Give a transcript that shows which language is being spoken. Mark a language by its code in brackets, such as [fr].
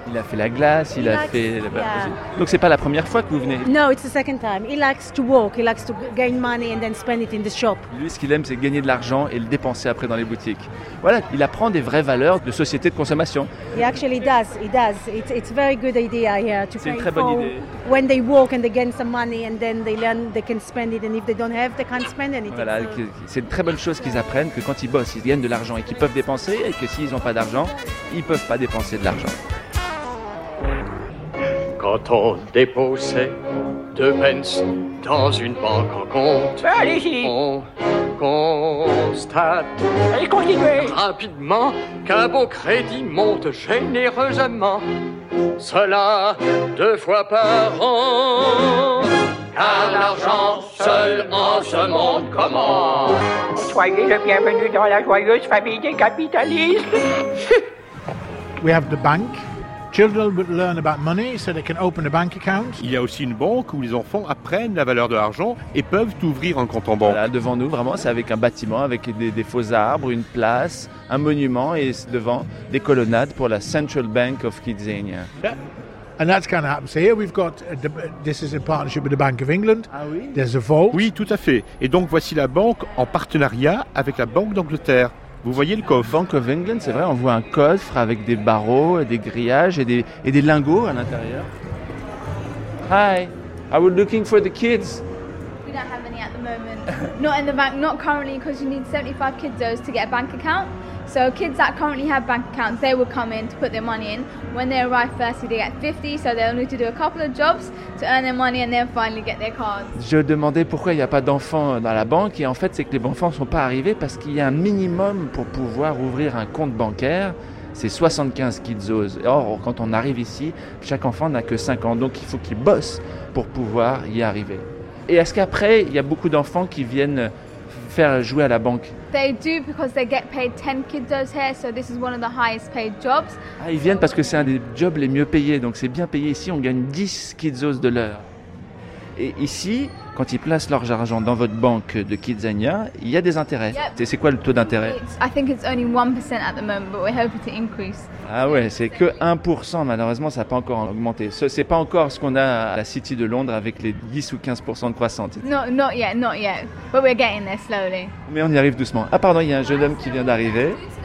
[fr] Il a fait la glace, il Donc c'est pas la première fois que vous venez. [en] No, it's the second time. He likes to walk, he likes to gain money and then spend it in the shop. [fr] Lui, ce qu'il aime, c'est gagner de l'argent et le dépenser après dans les boutiques. Voilà, il apprend des vraies valeurs de société de consommation. [en] He actually does, he does. It's a very good idea here to play. [fr] C'est une très bonne idée. [en] When they walk and they gain some money and then they learn they can spend it and if they don't have they can't spend anything. [fr] Voilà, c'est une très bonne chose qu'ils apprennent que quand ils bossent, ils gagnent de l'argent et qu'ils peuvent dépenser et que s'ils n'ont pas d'argent, ils peuvent pas dépenser de l'argent. Quand on dépose 2 pence dans une banque en compte, on constate allez, continuez rapidement qu'un beau crédit monte généreusement. Cela 2 fois par an. Car l'argent seul en ce monde commande. Soyez le bienvenu dans la joyeuse famille des capitalistes. [en] We have the bank. Children will learn about money so they can open a bank account. [fr] Il y a aussi une banque où les enfants apprennent la valeur de l'argent et peuvent ouvrir un compte en banque. Là, devant nous, vraiment, c'est avec un bâtiment, avec des faux arbres, une place, un monument et devant des colonnades pour la Central Bank of Kidzania. [en] And that's kind of happened. So here we've got, this is a partnership with the Bank of England. [fr] Ah oui. [en] There's a vault. [fr] Oui, tout à fait. Et donc voici la banque en partenariat avec la Banque d'Angleterre. Vous voyez le coffre. Bank of England, c'est vrai, on voit un coffre avec des barreaux, et des grillages et des lingots à l'intérieur. [en] Hi, are we looking for the kids? We don't have any at the moment. Not in the bank, not currently, because you need 75 kidzos to get a bank account. So kids that currently have bank accounts, they will come in to put their money in. When they arrive firstly, they get 50, so they'll need to do a couple of jobs to earn their money and then finally get their cards. [fr] Je demandais pourquoi il n'y a pas d'enfants dans la banque, et en fait, c'est que les enfants ne sont pas arrivés parce qu'il y a un minimum pour pouvoir ouvrir un compte bancaire. C'est 75 kidzos. Or, quand on arrive ici, chaque enfant n'a que 5 ans, donc il faut qu'il bosse pour pouvoir y arriver. Et est-ce qu'après, il y a beaucoup d'enfants qui viennent faire jouer à la banque? [en] They do because they get paid 10 kidzos here, so this is one of the highest paid jobs. [fr] Ah, ils viennent parce que c'est un des jobs les mieux payés, donc c'est bien payé ici, on gagne 10 kidzos de l'heure. Et ici, quand ils placent leur argent dans votre banque de Kidzania, il y a des intérêts. [en] Yep. [fr] C'est quoi le taux d'intérêt? [en] I think it's only 1% at the moment, but we're hoping to increase. [fr] Ah ouais, c'est que 1%, malheureusement, ça n'a pas encore augmenté. C'est pas encore ce qu'on a à la City de Londres avec les 10 ou 15% de croissance. [en] Not yet, but we're getting there slowly. [fr] Mais on y arrive doucement. Ah pardon, il y a un jeune homme qui vient d'arriver.